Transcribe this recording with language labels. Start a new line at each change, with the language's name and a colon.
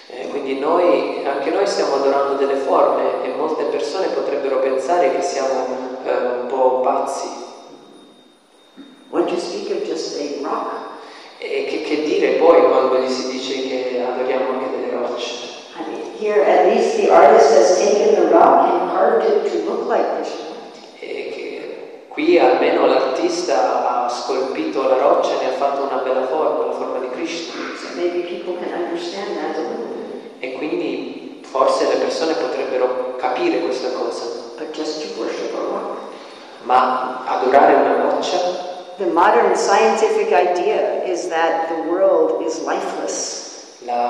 Italian: Quindi noi, anche noi stiamo adorando delle forme e molte persone potrebbero pensare che siamo un po' pazzi.
English: What you speak of just a rock?
Italian: E che dire poi quando gli si dice che adoriamo anche delle rocce?
English: I mean, here at least the artist has taken the rock and carved it to look like Krishna.
Italian: E che qui almeno l'artista ha scolpito la roccia e ne ha fatto una bella forma, la forma di Krishna.
English: So maybe people can understand that a little.
Italian: E quindi forse le persone potrebbero capire questa cosa.
English: But just to worship a rock.
Italian: Ma adorare una roccia?
English: The modern scientific idea is that the world is lifeless.